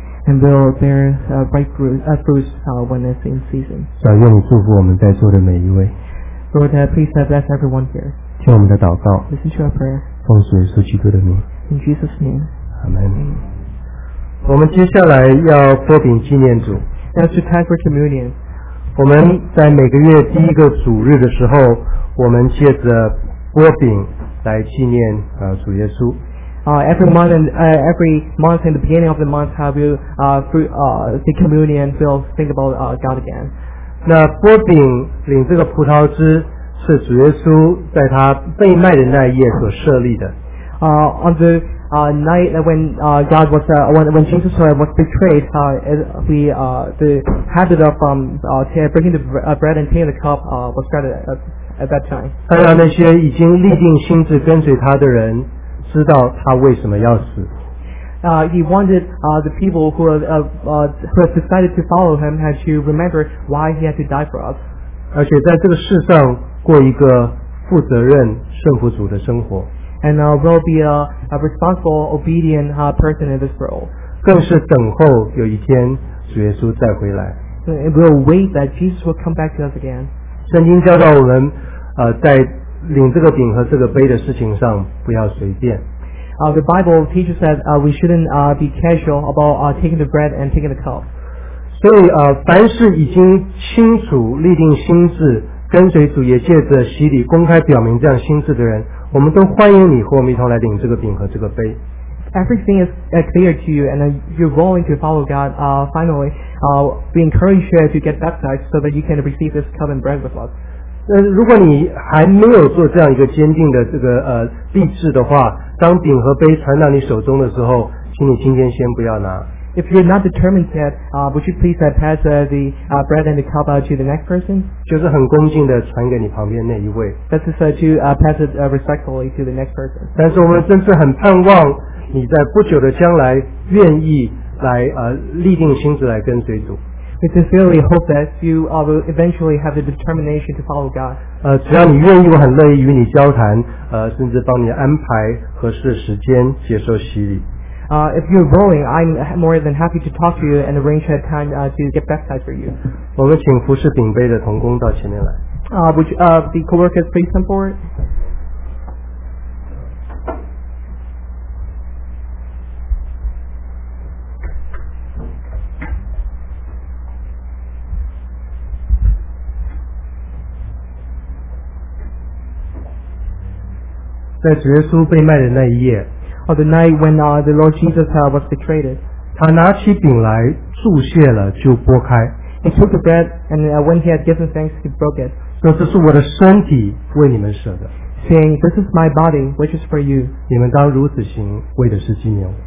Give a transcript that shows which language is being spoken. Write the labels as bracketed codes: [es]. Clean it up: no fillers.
[en] and will bear ripe fruits when it's in season [zh] 愿你祝福我们在座的每一位 [en] Lord, please bless everyone here [zh] 听我们的祷告 [en] listen to our prayer [zh] 奉主耶稣基督的名 [en] in Jesus' name [zh] Amen 我们接下来要擘饼纪念主 [en] that's the time for communion [zh] 我们在每个月第一个主日的时候我们借着擘饼来纪念主耶稣 [en] every month in the beginning of the month have you the communion will think about God again [zh] 那擘饼领这个葡萄汁是主耶稣在他被卖的那一夜所设立的 [en] on the night when God was when Jesus was betrayed, we the habit of breaking the bread and taking the cup was started at that time. [zh] 他让那些已经立定心志跟随他的人知道他为什么要死。 [en] He wanted the people who have decided to follow him had to remember why he had to die for us. [zh] 而且在这个世上过一个负责任顺服主的生活。 [en] And will be a responsible, obedient person in this world. [zh] 更是等候有一天主耶稣再回来。 [en] It will wait that Jesus will come back to us again. [zh] 圣经教导我们，在领这个饼和这个杯的事情上不要随便。 [en] The Bible teaches that we shouldn't be casual about taking the bread and taking the cup. [zh] 所以凡是已经清楚立定心志，跟随主也借着洗礼公开表明这样心志的人。我们都欢迎你和我们一同来领这个饼和这个杯 [en] Everything is clear to you and you're willing to follow God finally we encourage you to get baptized so that you can receive this cup and bread with us [zh] 如果你还没有做这样一个坚定的这个立志的话当饼和杯传到你手中的时候请你今天先不要拿 [en] If you're not determined yet would you please pass the bread and the cup to the next person [zh] 就是很恭敬的传给你旁边那一位 [en] That's just to pass it respectfully to the next person [zh] 但是我们真是很盼望你在不久的将来愿意来立定心志来跟随主 [en] We sincerely hope that you will eventually have the determination to follow God [zh] 只要你愿意我很乐意与你交谈甚至帮你安排合适的时间接受洗礼 [en] If you're willing, I'm more than happy to talk to you and arrange a time to get baptized for you. [zh] 我们请服侍饼杯的同工到前面来。 [en] Would you, the co-workers please come forward? [zh] 在主耶稣被卖的那一夜 [en] on the night when the Lord Jesus was betrayed, [zh] 他拿起饼来祝谢了就拨开 [en] he took the bread and when he had given thanks he broke it, [zh] 说这是我的身体为你们舍的 [en] saying this is my body which is for you, [zh] 你们当如此行为的是纪念